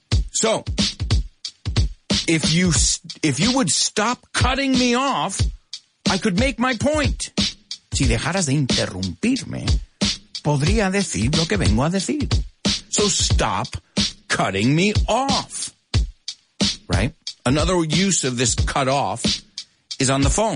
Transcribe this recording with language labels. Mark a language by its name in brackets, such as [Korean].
[English] So, if you would stop cutting me off, I could make my point. [Spanish] Si dejaras de interrumpirme, podría decir lo que vengo a decir. [English] So stop cutting me off, right? Another use of this cut off is on the phone.